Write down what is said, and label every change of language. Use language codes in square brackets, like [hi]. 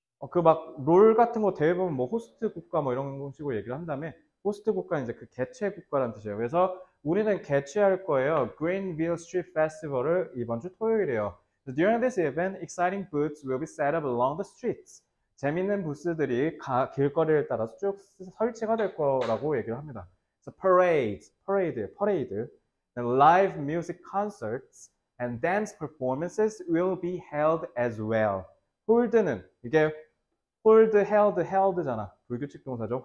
[ko] 그막롤 같은 거 대해 보면 뭐 호스트 국가 뭐 이런 식으로 얘기를 한 다음에 호스트 국가는 이제 그 개최 국가라는 뜻이에요. 그래서 우리는 개최할 거예요. Greenville Street Festival을 이번 주 토요일이에요. [en] During this event, exciting booths will be set up along the streets. [ko] 재밌는 부스들이 길거리를 따라서 쭉 설치가 될 거라고 얘기를 합니다. [en] So parades, parade, live music concerts and dance performances will be held as well. [ko] Hold는 이게 hold, held잖아. 불규칙 동사죠.